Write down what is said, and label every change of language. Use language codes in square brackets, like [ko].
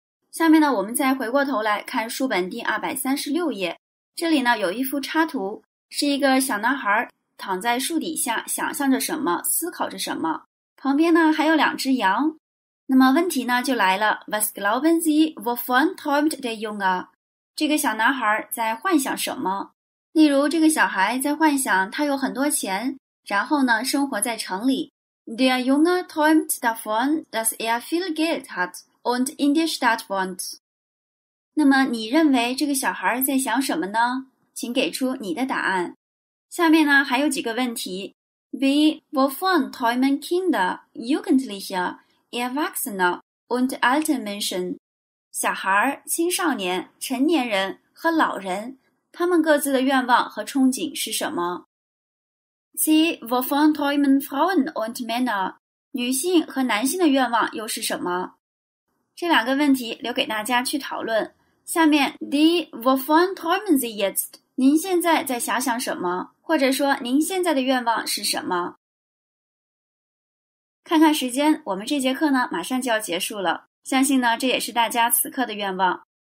[zh] 下面呢，我们再回过头来看书本第236页，这里呢有一幅插图，是一个小男孩躺在树底下想象着什么，思考着什么。旁边呢还有两只羊。那么问题呢就来了 [de] Was glauben Sie, wovon träumt der Junge? [zh] 这个小男孩在幻想什么？例如这个小孩在幻想他有很多钱，然后呢生活在城里。 [de] Der Junge träumt davon, dass viel Geld hat und in der Stadt wohnt. [zh] 那么你认为这个小孩在想什么呢？请给出你的答案。下面呢还有几个问题。 [de] Wie wovon träumen Kinder, Jugendliche, Erwachsene und alte Menschen? [zh] 小孩、青少年、成年人和老人，他们各自的愿望和憧憬是什么？ [de] Sie, wovon träumen Frauen und Männer? [zh] 女性和男性的愿望又是什么？这两个问题留给大家去讨论。下面 [de] ,Die, wovon träumen Sie jetzt? [zh] 您现在在遐想什么？或者说您现在的愿望是什么？看看时间，我们这节课呢马上就要结束了。相信呢这也是大家此刻的愿望。